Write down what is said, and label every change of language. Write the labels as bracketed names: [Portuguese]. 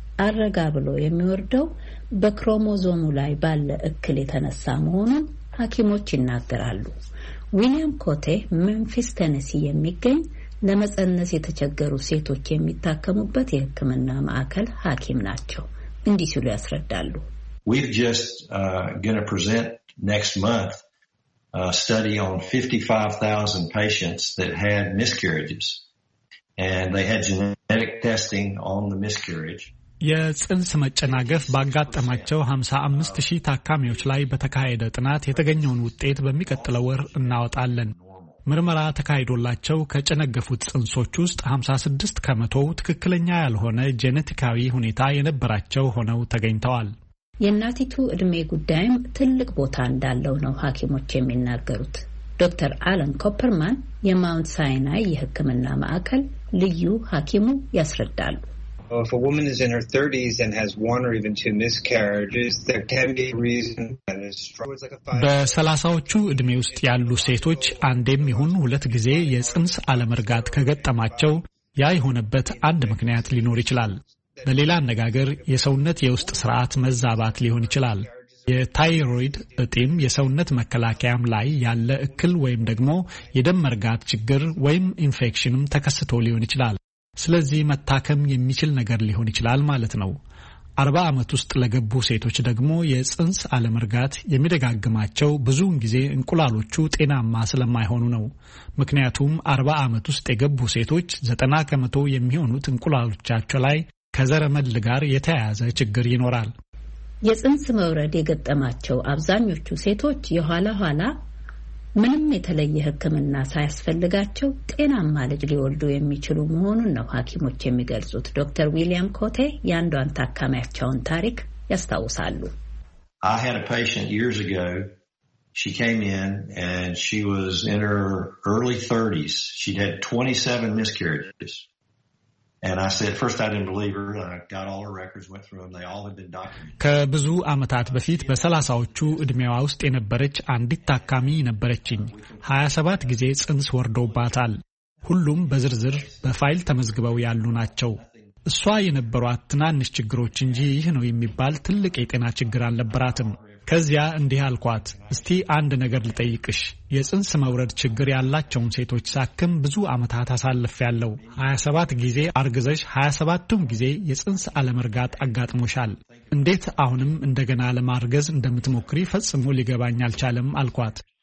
[Amharic] አረጋ ብሎ የሚወርደው በክሮሞዞሙ ላይ ባለ እክል የተነሳ መሆኑን ሐኪሞች ይናገራሉ። ዊሊያም ኮቴ ሜምፊስ ቴነሲ የሚገኝ ለመጸነስ የተቸገሩ ሴቶች የሚታከሙበት የሕክምና ማዕከል ሐኪም ናቸው። እንዲህ ሲሉ ያስረዳሉ። [English] We're just going to present next month a study on 55,000 patients that had miscarriages and they had genetic testing on the miscarriage. [Amharic] የጽንስ መጨናገፍ ባጋጠማቸው 55,000 ታካሚዎች ላይ በተካሄደ ጥናት የተገኘውን ውጤት በሚቀጥለው ወር እናወጣለን። ምርመራ ተካሂዶላቸው ከጨነገፉት ጽንሶች ውስጥ 56 ከመቶ ትክክለኛ ያልሆነ ጄኔቲካዊ ሁኔታ የነበራቸው ሆነው ተገኝተዋል። የእናቲቱ እድሜ ጉዳይም ትልቅ ቦታ እንዳለው ነው ሐኪሞች የሚናገሩት። ዶክተር አለን ኮፐርማን የማውንት ሳይናይ የሕክምና ማዕከል ልዩ ሐኪሙ ያስረዳሉ። [English] If a woman is in her 30s and has one or even two miscarriages, there can be reasons that it's like a 30s [Amharic] እድሜ ውስጥ ያሉ ሴቶች አንዴም ይሁን ሁለት ጊዜ የጽንስ አለመርጋት ከገጠማቸው ያ ይሆነበት አንድ ምክንያት ሊኖር ይችላል። በሌላ አነጋገር የሰውነት የውስጥ ስርዓት መዛባት ሊሆን ይችላል። የታይሮይድ እጢም የሰውነት መከላከያም ላይ ያለ እክል ወይም ደግሞ የደም መርጋት ችግር ወይም ኢንፌክሽንም ተከስቶ ሊሆን ይችላል። ስለዚህ መታከም የሚችል ነገር ሊሆን ይችላል ማለት ነው። 40 አመት ውስጥ ለገቡ ሴቶች ደግሞ የጽንስ አለመርጋት የሚደጋግማቸው ብዙውን ጊዜ እንቁላሎቹ ጤናማ ስለማይሆኑ ነው። ምክንያቱም 40 አመት ውስጥ የገቡ ሴቶች 90 ከመቶ የሚሆኑት እንቁላሎቻቸው ላይ ከዘረመል ጋር የተያያዘ ችግር ይኖራል። የጽንስ መውረድ የገጠማቸው አብዛኞቹ ሴቶች የኋላ ኋላ ምንም የተለየ ህክምና ሳይስፈልጋቸው ጤናማ ልጅ ሊወልዱ የሚችሉ መሆኑን ነው ሐኪሞች የሚገልጹት። ዶክተር ዊሊያም ኮቴ ያንዷን ታካሚያቸውን ታሪክ ያስታውሳሉ። [English] I had a patient years ago. She came in and she was in her early 30s. She'd had 27 miscarriages. And I said, first, I didn't believe her. I got all her records, went through them. They all had been documented. [Amharic] ከብዙ አመታት በፊት በ30ዎቹ እድሜዋ ውስጥ የነበረች አንዲት ታካሚ ነበረችኝ። 27 ጊዜ ጽንስ ወርዶባታል። ሁሉም በዝርዝር በፋይል ተመዝግበው ያሉ ናቸው። እሷ የነበሯት ትናንሽ ችግሮች እንጂ ይህ ነው የሚባል ትልቅ የጤና ችግር አልነበራትም። ከዚያ እንዲህ አልኳት፣ እስቲ አንድ ነገር ልጠይቅሽ። የጽንስ መውረድ ችግር ያላቸውን ሴቶች ሳክም ብዙ አመታት አሳልፌያለሁ። 27 ጊዜ አርግዘሽ 27ቱም ጊዜ የጽንስ አለመርጋት አጋጥሞሻል። እንዴት አሁንም እንደገና ለማርገዝ እንደምትሞክሪ ፈጽሞ ሊገባኝ አልቻለም አልኳት።